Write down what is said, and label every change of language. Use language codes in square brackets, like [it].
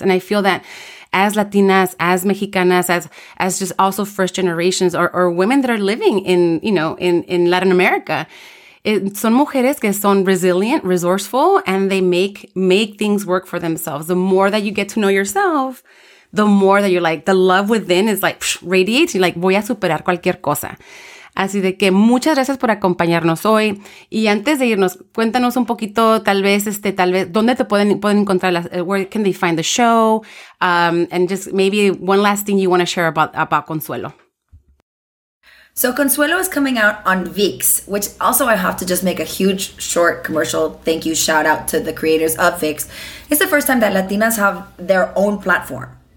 [en] And I feel that as Latinas, as Mexicanas, as just also first generations or women that are living in Latin America, [es] son mujeres que son [en] resilient, resourceful, and they make things work for themselves. The more that you get to know yourself, the more that you're like, the love within is like radiates. You're like, [es] voy a superar cualquier cosa. Así de que muchas gracias por acompañarnos hoy. Y antes de irnos, cuéntanos un poquito, tal vez, ¿dónde te pueden encontrar? [en] Where can they find the show? And just maybe one last thing you want to share about Consuelo. So Consuelo is coming out on VIX, which also I have to just make a huge short commercial thank you shout out to the creators of VIX. It's the first time that Latinas have their own platform.